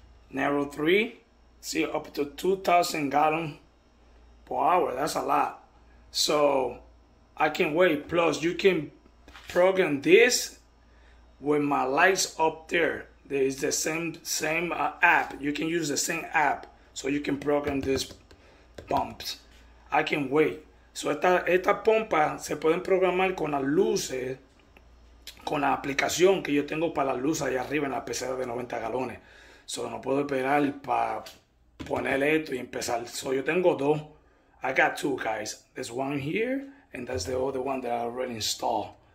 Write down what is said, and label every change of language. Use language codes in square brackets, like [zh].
[en] Narrow three. See, up to 2,000 gallon per hour. That's a lot. So I can't wait. Plus, you can program this with my lights up there. There is the same app. You can use the same app, so you can program this pumps. I can't wait. [es] So esta pompa se pueden programar con las luces, con la aplicación que yo tengo para las luces allá arriba en la pecera de 90 galones. So no puedo esperar para poner esto y empezar. [en] So [es] yo tengo dos. [en] I got two, guys. There's one here, and that's the other one that I already installed.